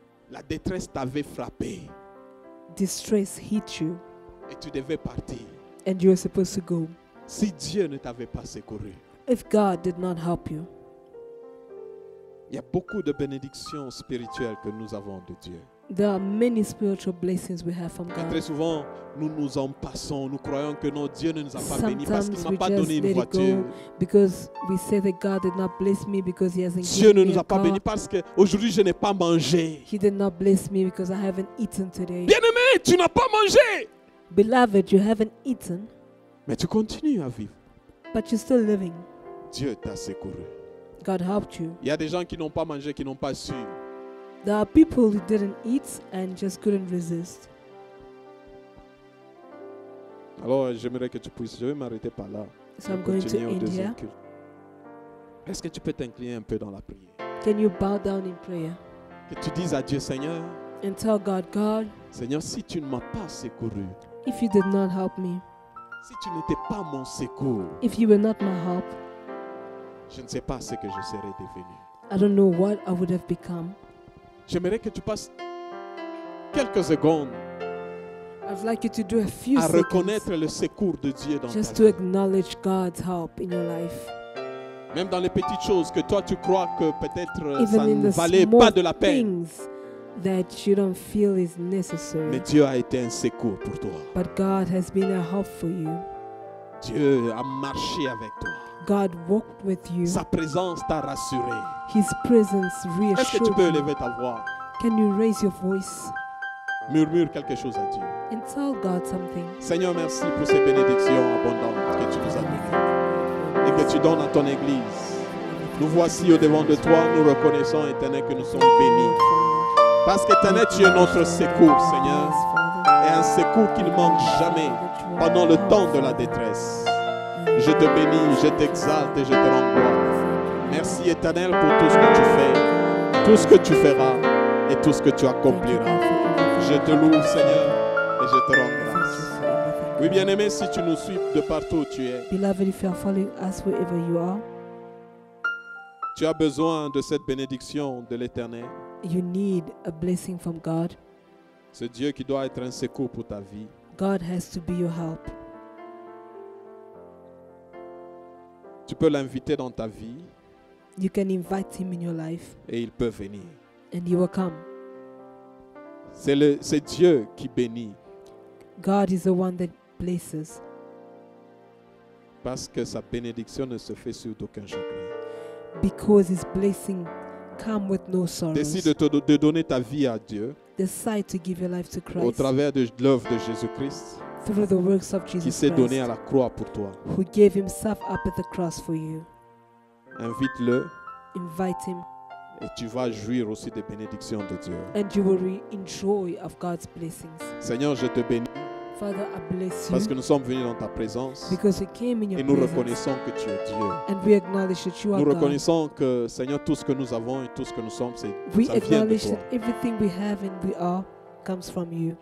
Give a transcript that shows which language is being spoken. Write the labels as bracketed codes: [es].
[fr] La détresse t'avait frappé. [en] Distress hit you. [fr] Et tu devais partir. [en] And you were supposed to go. [fr] Si Dieu ne t'avait pas secouru. [en] If God did not help you. [fr] Il y a beaucoup de bénédictions spirituelles que nous avons de Dieu. [en] There are many spiritual blessings we have from God. [fr] Et très souvent, nous nous en passons. Nous croyons que non, Dieu ne nous a pas béni parce qu'il ne m'a pas donné une voiture. [en] Because we say that God did not bless me because He hasn't given me a car. [fr] Dieu ne nous a pas béni parce que aujourd'hui je n'ai pas mangé. [en] He did not bless me because I haven't eaten today. [fr] Bien-aimé, tu n'as pas mangé. [en] Beloved, you haven't eaten. [fr] Mais tu continues à vivre. [en] But you're still living. [fr] Dieu t'a secouru. [en] God helped you. [fr] Il y a des gens qui n'ont pas mangé, qui n'ont pas su. [en] There are people who didn't eat and just couldn't resist. [fr] Alors, j'aimerais que tu puisses, je vais m'arrêter par là. [en] So I'm going to India. [fr] Est-ce que tu peux t'incliner un peu dans la prière? [en] Can you bow down in prayer? [fr] Que tu dises à Dieu, Seigneur. [en] And tell God, God. [fr] Seigneur, si tu ne m'as pas secouru. [en] If you did not help me. [fr] Si tu n'étais pas mon secours. [en] If you were not my help. [fr] Je ne sais pas ce que je serais devenu. [en] I don't know what I would have become. [fr] J'aimerais que tu passes quelques secondes [en] I'd like you to do a few [fr] à reconnaître le secours de Dieu dans ta vie. [en] Just to acknowledge God's help in your life. [fr] Même dans les petites choses que toi tu crois que peut-être ça ne valait pas de la peine. [en] Things that you don't feel is necessary. [fr] Mais Dieu a été un secours pour toi. [en] But God has been a help for you. [fr] Dieu a marché avec toi. [en] God walked with you. [fr] Sa présence t'a rassuré. [en] His presence reassured. [fr] Est-ce que tu peux lever ta voix? [en] Can you raise your voice? [fr] Murmure quelque chose à Dieu. [en] And tell God something. [fr] Seigneur, merci pour ces bénédictions abondantes que tu nous as données et que tu donnes à ton Église. Nous voici au devant de toi. Nous reconnaissons, Éternel, que nous sommes bénis. Parce qu'Éternel, tu es notre secours, Seigneur. Et un secours qui ne manque jamais pendant le temps de la détresse. Je te bénis, je t'exalte et je te rends gloire. Merci Éternel pour tout ce que tu fais, tout ce que tu feras et tout ce que tu accompliras. Je te loue Seigneur et je te rends grâce. Oui bien-aimé, si tu nous suis de partout où tu es. [en] Beloved, if you are following us wherever you are. [fr] Tu as besoin de cette bénédiction de l'Éternel. [en] You need a blessing from God. [fr] C'est Dieu qui doit être un secours pour ta vie. [en] God has to be your help. [fr] Tu peux l'inviter dans ta vie. [en] You can invite him in your life. [fr] Et il peut venir. [en] And he will come. [fr] C'est Dieu qui bénit. [en] God is the one that blesses. [fr] Parce que sa bénédiction ne se fait sur aucun chagrin. [en] Because his blessing comes with no sorrows. [fr] Décide de donner ta vie à Dieu. [en] Decide to give your life to Christ. [fr] Au travers de l'œuvre de Jésus-Christ. [en] Through the works of Jesus [fr] qui s'est donné [en] Christ, [fr] à la croix pour toi. [en] Who gave himself up at the cross for you. [fr] Invite-le. [en] Invite him. [fr] Et tu vas jouir aussi des bénédictions de Dieu. [en] And you will enjoy of God's blessings. [fr] Seigneur, je te bénis. [en] Father, I bless you. [fr] Parce que nous sommes venus dans ta présence. [en] Because we came in your [fr] et nous [en] presence. [fr] Reconnaissons que tu es Dieu. [en] And we acknowledge that you are [fr] nous reconnaissons [en] God. [fr] Que, Seigneur, tout ce que nous avons et tout ce que nous sommes, c'est [en] we [fr] ça vient de toi. [en] That everything we have and we are comes from you.